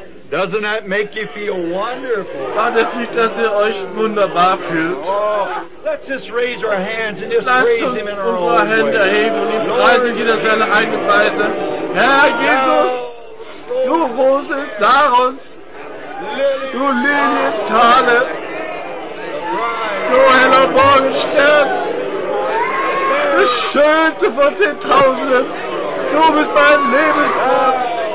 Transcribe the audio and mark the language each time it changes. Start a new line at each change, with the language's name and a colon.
English: Doesn't that make you feel wonderful?
German: Macht es nicht, dass ihr euch wunderbar fühlt?
English: Let's just raise our hands and just praise him in our own way.
German: Lasst uns unsere Hände erheben und ihn preisen, jeder seine eigene Weise. Herr Jesus, du Rose Sarons, du Lilientale, du heller Morgenstern, du Schönste von Zehntausenden, du bist mein Lebensbrot.